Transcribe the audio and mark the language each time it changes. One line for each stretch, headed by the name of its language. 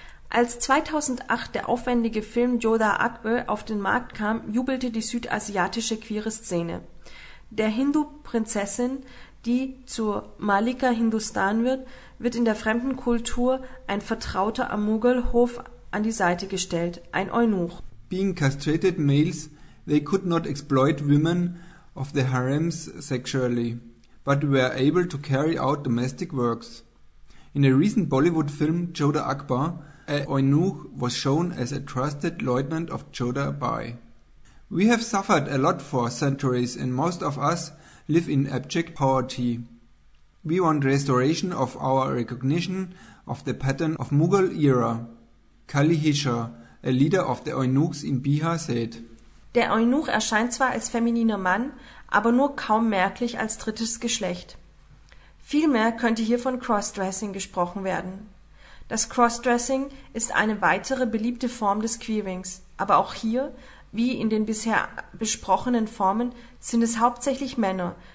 German: Als 2008 der aufwendige Film Yodha Akbar auf den Markt kam, jubelte die südasiatische queere Szene. Der Hindu-Prinzessin, die zur Malika Hindustan wird, wird in der fremden Kultur ein Vertrauter am Mughal-Hof an die Seite gestellt, ein Eunuch.
English: Being castrated males, they could not exploit women of the harems sexually, but were able to carry out domestic works. In a recent Bollywood film, Yodha Akbar, a eunuch was shown as a trusted lieutenant of Yodha Bai. We have suffered a lot for centuries and most of us live in abject poverty. We want restoration of our recognition of the pattern of Mughal era, Kali Hishar, a leader of the eunuchs in Bihar, said.
German: Der Eunuch erscheint zwar als femininer Mann, aber nur kaum merklich als drittes Geschlecht. Vielmehr könnte hier von Crossdressing gesprochen werden. Das Crossdressing ist eine weitere beliebte Form des Queerings, aber auch hier, wie in den bisher besprochenen Formen, sind es hauptsächlich Männer,